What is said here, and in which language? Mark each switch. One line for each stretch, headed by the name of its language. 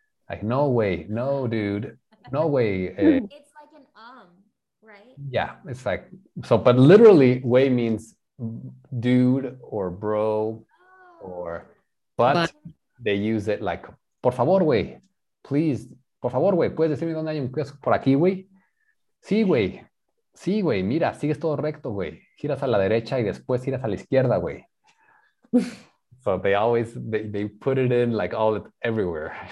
English: Like, no way, no, dude, no way. It's like an right? Yeah, it's like, so, but literally, way means dude or bro or, but they use it like,
Spanish: por favor,
English: way, please.
Spanish: Por favor, güey, ¿puedes decirme dónde hay un kiosco por aquí, güey? Sí, güey, mira, sigues todo recto, güey. Giras a la derecha y después giras a la izquierda, güey.
English: So they always, they put it in like all, everywhere.